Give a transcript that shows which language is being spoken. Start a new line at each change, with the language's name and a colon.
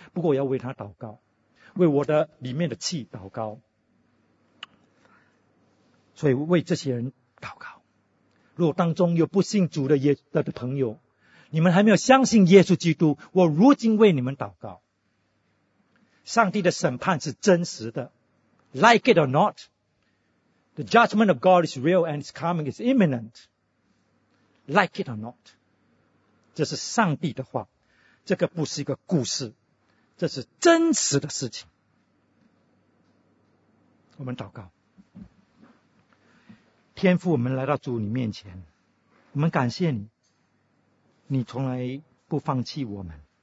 Chinese: 不过我要为他祷告，为我的里面的气祷告。所以为这些人祷告。如果当中有不信主的朋友，你们还没有相信耶稣基督，我如今为你们祷告。上帝的审判是真实的，
English: Like it or not, the judgment of God is real and it's coming, it's imminent. Like it or not,
Chinese: 这是上帝的话，这个不是一个故事，这是真实的事情。我们祷告。天父，我们来到主你面前，我们感谢你，你从来不放弃我们。